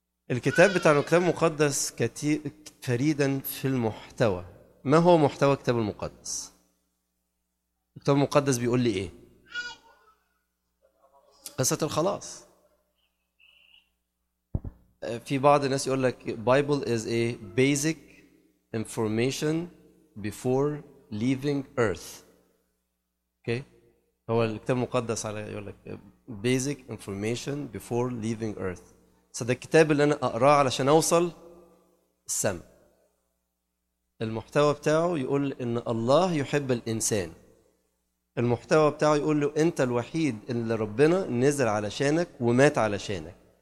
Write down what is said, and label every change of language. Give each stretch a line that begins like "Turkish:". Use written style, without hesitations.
Arabic: الكتاب بتاع الكتاب المقدس فريدا في المحتوى. ما هو محتوى الكتاب المقدس؟ الكتاب المقدس بيقول لي ايه؟ قصة الخلاص. في بعض الناس يقول لك
English: Bible is a basic information before leaving earth. Okay.
Arabic: هو الكتاب المقدس على يقول لك
English: basic information before leaving earth.
Arabic: ده الكتاب اللي انا اقراه علشان اوصل السماء. المحتوى بتاعه يقول ان الله يحب الانسان. المحتوى بتاعه يقول له انت الوحيد اللي ربنا نزل علشانك ومات علشانك.